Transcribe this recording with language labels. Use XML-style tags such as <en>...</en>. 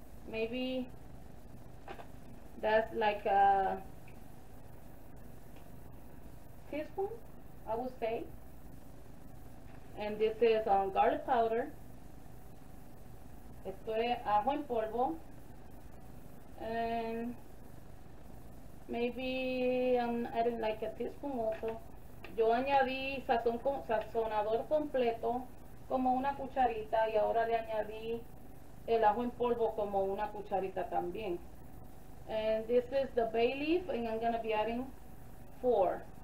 <en>Maybe that's like a teaspoon, I would say. And this is garlic powder.</en> <es>Esto es ajo en polvo.</es> <en>And maybe I'm adding like a teaspoon also.</en> <es>Yo añadí sazonador completo como una cucharita y ahora le añadí el ajo en polvo como una cucharita también.</es> <en>And this is the bay leaf and I'm gonna be adding 4.</en>